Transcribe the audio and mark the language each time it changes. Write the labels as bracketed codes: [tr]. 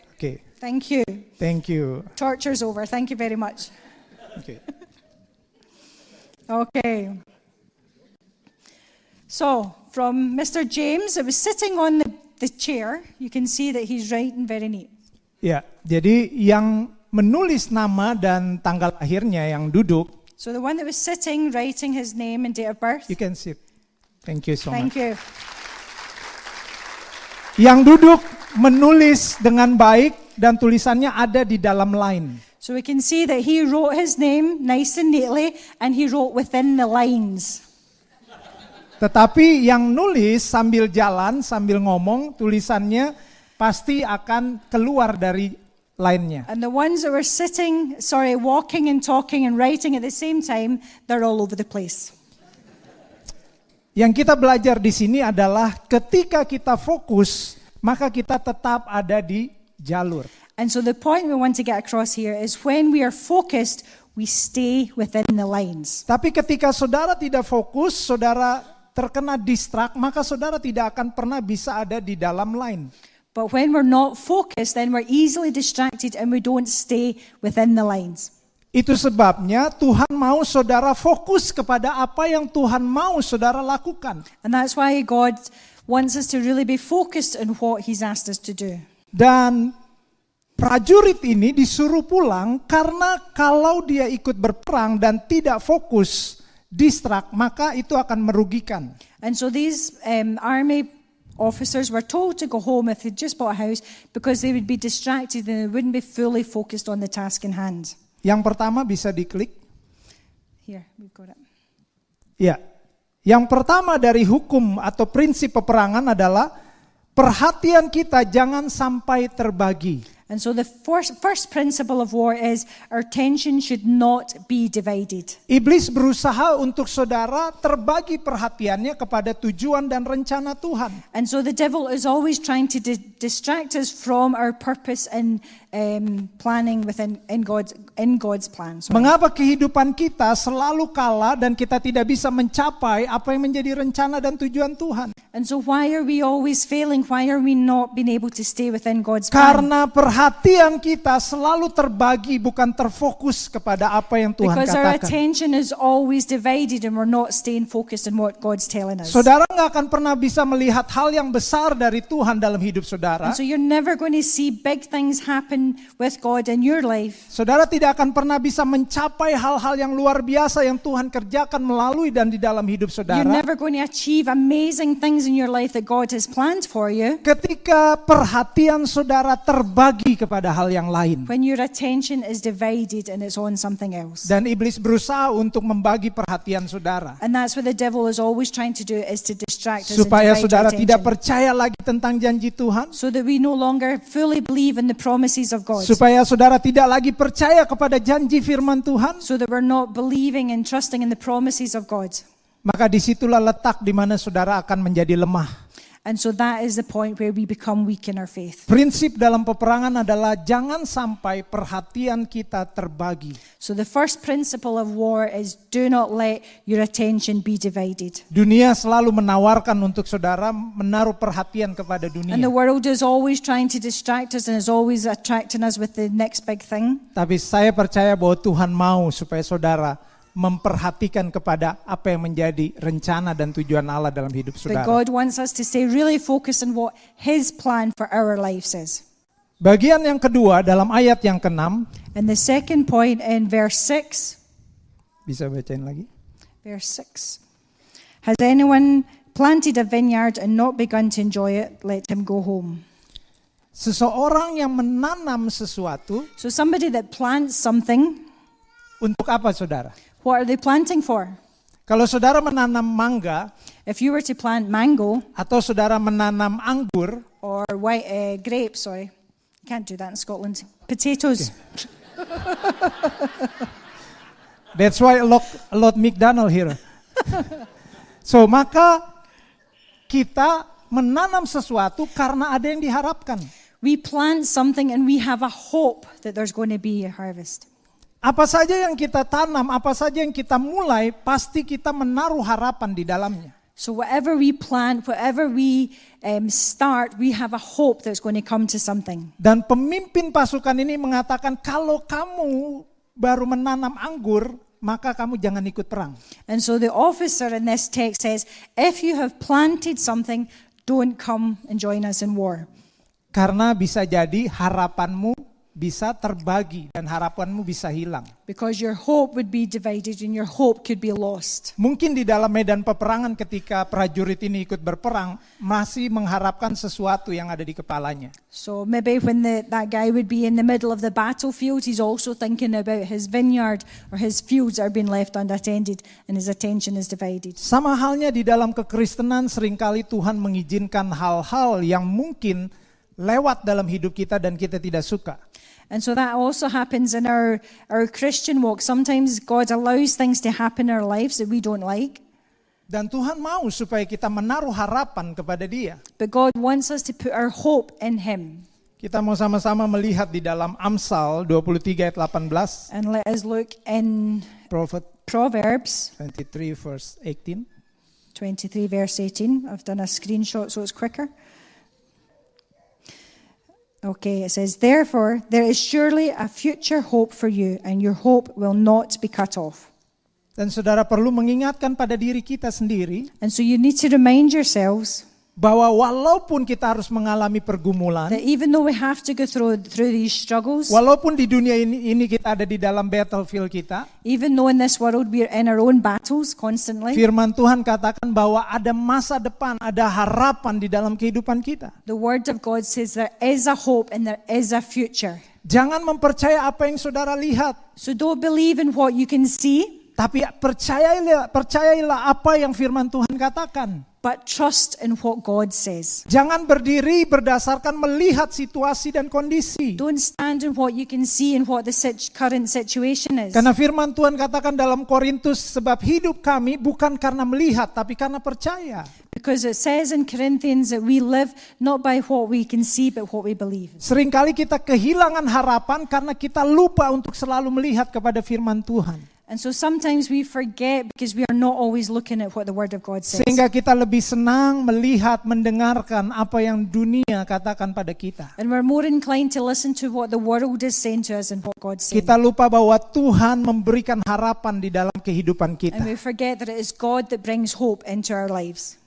[en] Okay. Thank you. Thank you. Torture's over. Thank you very much. Okay. Okay. So, from Mr. James, it was sitting on the chair. You can see that he's writing very neat. [id] Yeah, jadi yang menulis nama dan tanggal lahirnya yang duduk. [en] So the one that was sitting, writing his name and date of birth. You can sit. Thank you so Thank much. You. [id] Yang duduk menulis dengan baik dan tulisannya ada di dalam line. [en] So we can see that he wrote his name nice and neatly and he wrote within the lines. [id] Tetapi yang nulis sambil jalan, sambil ngomong, tulisannya pasti akan keluar dari line-nya. [en] And the ones that were sitting, sorry, walking and talking and writing at the same time, they're all over the place. [id] Yang kita belajar di sini adalah ketika kita fokus, maka kita tetap ada di jalur. [en] And so the point we want to get across here is when we are focused, we stay within the lines. [id] Tapi ketika saudara tidak fokus, saudara terkena distract, maka saudara tidak akan pernah bisa ada di dalam line. [en] But when we're not focused, then we're easily distracted and we don't stay within the lines. [id] Itu sebabnya Tuhan mau saudara fokus kepada apa yang Tuhan mau saudara lakukan. [en] And that's why God wants us to really be focused on what He's asked us to do. [id] Dan Prajurit ini disuruh pulang karena kalau dia ikut berperang dan tidak fokus, distract, maka itu akan merugikan. [en] And so these army officers were told to go home if they just bought a house because they would be distracted and they wouldn't be fully focused on the task in hand. [id] Yang pertama bisa diklik. [en] Here, we got it. Ya. Yeah. [id] Yang pertama dari hukum atau prinsip peperangan adalah perhatian kita jangan sampai terbagi. [en] And so the first principle of war is our attention should not be divided. [id] Iblis berusaha untuk saudara terbagi perhatiannya kepada tujuan dan rencana Tuhan. [en] And so the devil is always trying to distract us from our purpose and planning within in God's plan. Sorry. [id] Mengapa kehidupan kita selalu kalah dan kita tidak bisa mencapai apa yang menjadi rencana dan tujuan Tuhan? [en] And so why are we always failing? Why are we not being able to stay within God's plan? [id] Karena perhatian kita selalu terbagi, bukan terfokus kepada apa yang Tuhan [en] Because Because our attention is always divided and we're not staying focused on what God's telling us. [id] Saudara nggak akan pernah bisa melihat hal yang besar dari Tuhan dalam hidup saudara. [en] And so you're never going to see big things happen with God in your life. [id] Saudara tidak akan pernah bisa mencapai hal-hal yang luar biasa yang Tuhan kerjakan melalui dan di dalam hidup saudara. [en] You're never going to achieve amazing things in your life that God has planned for you. [id] Ketika perhatian saudara terbagi kepada hal yang lain. [en] When your attention is divided and it's on something else. [id] Dan iblis berusaha untuk membagi perhatian saudara. [en] And that's what the devil is always trying to do is to distract us. [id] Supaya saudara tidak percaya lagi tentang janji Tuhan. [en] So that we no longer fully believe in the promises of God. [id] Supaya saudara tidak lagi percaya kepada janji firman Tuhan. [en] So that we're not believing and trusting in the promises of God. [id] Maka disitulah letak di mana saudara akan menjadi lemah. [en] And so that is the point where we become weak in our faith. [id] Prinsip dalam peperangan adalah jangan sampai perhatian kita terbagi. [en] So the first principle of war is do not let your attention be divided. [id] Dunia selalu menawarkan untuk saudara menaruh perhatian kepada dunia. [en] And the world is always trying to distract us and is always attracting us with the next big thing. [id] Tapi saya percaya bahwa Tuhan mau supaya saudara memperhatikan kepada apa yang menjadi rencana dan tujuan Allah dalam hidup saudara. [en] But God wants us to stay really focused on what His plan for our lives is. [id] Bagian yang kedua dalam ayat yang ke-6. [en] And the second point in verse 6. [id] Bisa bacain lagi? [en] Verse 6. Has anyone planted a vineyard and not begun to enjoy it? Let him go home. [id] Seseorang yang menanam sesuatu. [en] So somebody that plants something. [id] Untuk apa saudara? [en] What are they planting for? [id] Kalau saudara menanam mangga, [en] if you were to plant mango, [id] atau saudara menanam anggur, [en] or white grape, sorry, can't do that in Scotland. Potatoes. Okay. That's why a lot McDonald here. [id] So maka kita menanam sesuatu karena ada yang diharapkan. [en] We plant something and we have a hope that there's going to be a harvest. [id] Apa saja yang kita tanam, apa saja yang kita mulai, pasti kita menaruh harapan di dalamnya. [en] So whatever we plant, whatever we start, we have a hope that's going to come to something. [id] Dan pemimpin pasukan ini mengatakan, kalau kamu baru menanam anggur, maka kamu jangan ikut perang. [en] And so the officer in this text says, if you have planted something, don't come and join us in war. [id] Karena bisa jadi harapanmu bisa terbagi dan harapanmu bisa hilang. [en] Because your hope would be divided and your hope could be lost. [id] Mungkin di dalam medan peperangan ketika prajurit ini ikut berperang masih mengharapkan sesuatu yang ada di kepalanya. [en] So maybe when that guy would be in the middle of the battlefield, he's also thinking about his vineyard or his fields are being left unattended and his attention is divided. [id] Sama halnya di dalam kekristenan seringkali Tuhan mengizinkan hal-hal yang mungkin lewat dalam hidup kita dan kita tidak suka. [en] And so that also happens in our Christian walk. Sometimes God allows things to happen in our lives that we don't like. [id] Dan Tuhan mau supaya kita menaruh harapan kepada Dia. [en] But God wants us to put our hope in Him. [id] Kita mau sama-sama melihat di dalam Amsal 23 ayat 18. [en] And let us look in Proverbs 23 verse 18. I've done a screenshot so it's quicker. Okay, it says, therefore, there is surely a future hope for you, and your hope will not be cut off. [id] Dan saudara perlu mengingatkan pada diri kita sendiri. [en] And so you need to remind yourselves. [id] bahwa walaupun kita harus mengalami pergumulan, [en] that even though we have to go through these struggles, [id] walaupun di dunia ini kita ada di dalam battlefield kita, [en] even though in this world we are in our own battles constantly, [id] firman Tuhan katakan bahwa ada masa depan, ada harapan di dalam kehidupan kita. [en] The word of God says there is a hope and there is a future. [id] Jangan mempercaya apa yang saudara lihat. [en] So don't believe in what you can see. [id] Tapi percayailah apa yang firman Tuhan katakan. [en] But trust in what God says. [id] Jangan berdiri berdasarkan melihat situasi dan kondisi. [en] Don't stand in what you can see and what the current situation is. [id] Karena firman Tuhan katakan dalam Korintus, sebab hidup kami bukan karena melihat, tapi karena percaya. [en] Because it says in Corinthians that we live not by what we can see, but what we believe. [id] Seringkali kita kehilangan harapan karena kita lupa untuk selalu melihat kepada firman Tuhan. [en] And so sometimes we forget because we are not always looking at what the word of God says. [id] Sehingga kita lebih senang melihat, mendengarkan apa yang dunia katakan pada kita. [en] And we're more inclined to listen to what the world is saying to us and what God says. [id] Kita lupa bahwa Tuhan memberikan harapan di dalam kehidupan kita. [en] And we forget that it is God that brings hope into our lives.